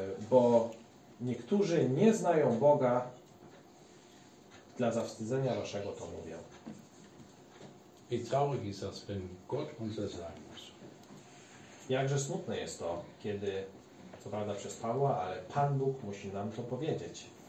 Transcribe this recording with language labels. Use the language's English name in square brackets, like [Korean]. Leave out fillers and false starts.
[Polish] Bo niektórzy nie znają Boga, dla zawstydzenia waszego to mówię. [German] Wie traurig ist das, wenn Gott uns das sagt. [Polish] Jakże smutne jest to, kiedy, co prawda przez Pawła, ale Pan Bóg musi nam to powiedzieć.